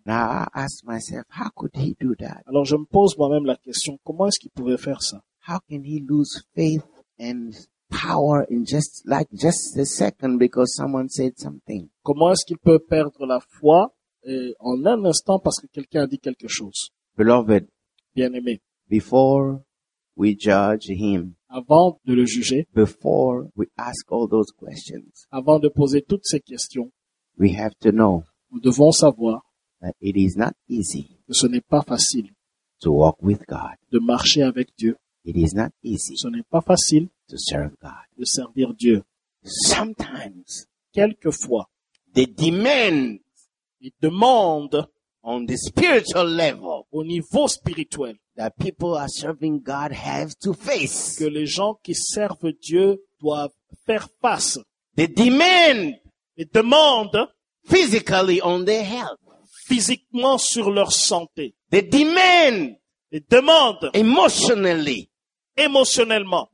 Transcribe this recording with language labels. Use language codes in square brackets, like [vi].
[en] Now I ask myself, how could he do that? [fr] Alors je me pose moi-même la question, comment est-ce qu'il pouvait faire ça? [en] How can he lose faith and power in just a second because someone said something? [fr] Comment est-ce qu'il peut perdre la foi en un instant parce que quelqu'un a dit quelque chose? [en] Beloved, [fr] bien-aimé, [en] before we judge him, [fr] avant de le juger, [en] before we ask all those questions, [fr] avant de poser toutes ces questions, [en] we have to know, [fr] nous devons savoir, [en] that it is not easy, [fr] que ce n'est pas facile, [en] to walk with God, [fr] de marcher avec Dieu. [en] It is not easy. [fr] Ce n'est pas facile. [en] To serve God. [fr] De servir Dieu. [en] Sometimes. [fr] Quelquefois. [en] They demand. [fr] Ils demandent. [en] On the spiritual level. [fr] Au niveau spirituel. [en] That people are serving God have to face. [fr] Que les gens qui servent Dieu doivent faire face. [en] They demand. [fr] Ils demandent. [en] Physically on their health. [fr] Physiquement sur leur santé. [en] They demand. [fr] Ils demandent. [en] Emotionally. [fr] Émotionnellement.